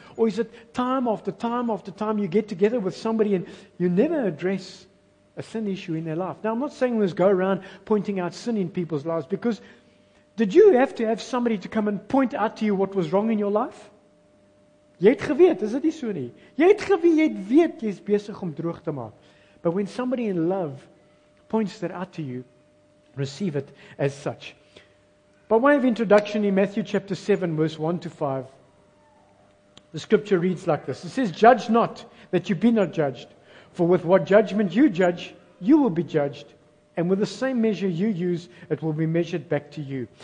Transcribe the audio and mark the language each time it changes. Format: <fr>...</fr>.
<en>Or is it time after time after time you get together with somebody and you never address a sin issue in their life? Now, I'm not saying let's go around pointing out sin in people's lives, because did you have to have somebody to come and point out to you what was wrong in your life?</en> <af>Jy het geweet, is dit nie so nie? Jy het geweet, jy is besig om droog te maak.</af> <en>But when somebody in love points that out to you, receive it as such. By way of introduction, in Matthew chapter 7, verse 1 to 5, the scripture reads like this. It says, judge not that you be not judged. For with what judgment you judge, you will be judged. And with the same measure you use, it will be measured back to you.</en>